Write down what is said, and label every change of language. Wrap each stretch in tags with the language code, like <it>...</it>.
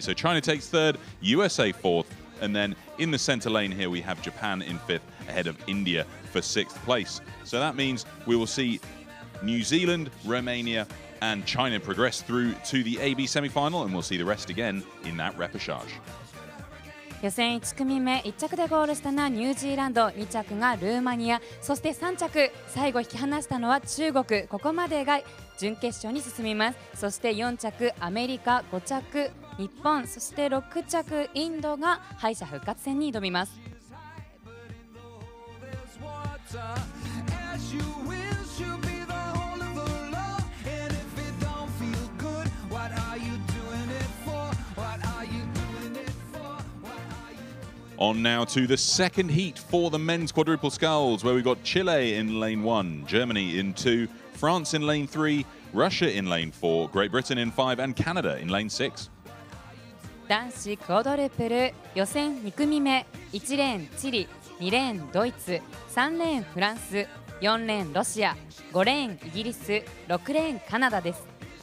<en>So China takes third, USA fourth. And then in the center lane here, we have Japan in fifth ahead of India for sixth place. So that means we will see New Zealand, Romania, and China progress through to the AB semi-final, and we'll see the rest again in that repechage.</en> <ja>予選1組目、1着でゴールしたのはニュージーランド、2着がルーマニア、そして3着、最後引き離したのは中国、ここまでが準決勝に進みます。そして4着、アメリカ、5着、日本、そして6着、インドが敗者復活戦に挑みます。</ja> <en>On now to the second heat for the men's quadruple sculls, where we've got Chile in lane one, Germany in two, France in lane three, Russia in lane four, Great Britain in five, and Canada in lane six.</en> <ja>男子クォドルプル予選2組目、1レーンチリ、2レーンドイツ、3レーンフランス、4レーンロシア、5レーンイギリス、6レーンカナダです。</ja>